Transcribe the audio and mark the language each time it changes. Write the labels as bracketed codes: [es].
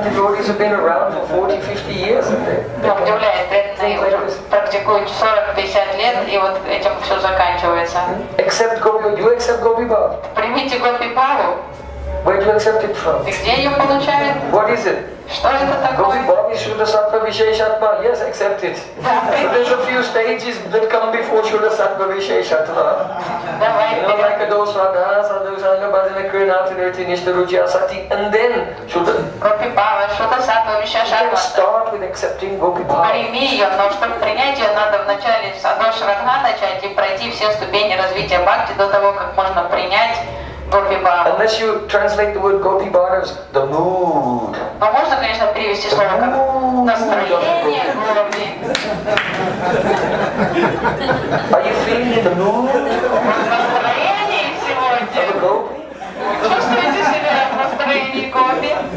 [en] Even the devotees have been around for 40, 50 years, haven't they? [ru] Удивляет, практикуют 40-50 лет, и вот этим все заканчивается. [en] Accept Gopi, you accept Gopi Bhava. [ru] Примите Gopi Bhava. [en] Where do you accept it from? [ru] И где ее получают? [en] What is it? [ru] Что это такое? [en] Gopi Bhava is Shuddha Sattva Visheshatma. Yes, accept it. So there's a few stages that come before Shuddha Sattva Visheshatma. You know, like a dosa, radha, sadhu, sangha, bhajana, kriya, nirti, nishtha, ruchi, asati, and then Shuddha. Gopi Bhava, Shuddha Sattva Visheshatma. You can start with accepting Gopi Bhava. [ru] Прими ее, но чтобы принять ее, надо вначале с Адоша Радха начать и пройти все ступени развития бхакти до того, как можно принять Gopi Bhava. [en] Unless you translate the word Gopi Bhava as the mood. [ru] Но можно, конечно, перевести слово как настроение Gopi. [en] Are you feeling the mood? [ru] Настроение сегодня. [en] Of a Gopi? [ru] Чувствуете себя в настроении Gopi?